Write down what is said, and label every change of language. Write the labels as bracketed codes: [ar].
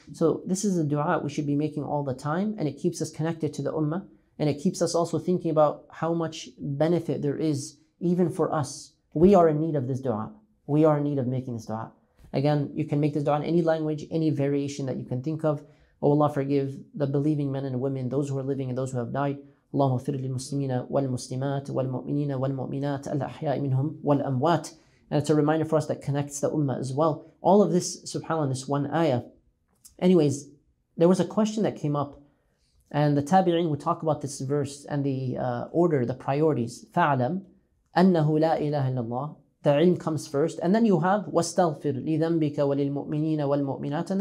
[en] So this is a dua we should be making all the time, and it keeps us connected to the ummah, and it keeps us also thinking about how much benefit there is even for us. We are in need of this dua. We are in need of making this dua. Again, you can make this dua in any language, any variation that you can think of. Oh Allah, forgive the believing men and women, those who are living and those who have died. [ar] اللهم اغفر للمسلمين والمسلمات والمؤمنين والمؤمنات الأحياء منهم والأموات. [en] And it's a reminder for us that connects the ummah as well. All of this, subhanAllah, this one ayah. Anyways, there was a question that came up, and the tabi'in would talk about this verse and the order, the priorities. [ar] فَعْلَمْ أَنَّهُ لَا إِلَهَ إِلَّا اللَّهِ. [en] The ilm comes first, and then you have [ar] وَاسْتَغْفِرْ لِذَنْبِكَ وَلِلْمُؤْمِنِينَ وَالْمُؤْمِنَاتِ.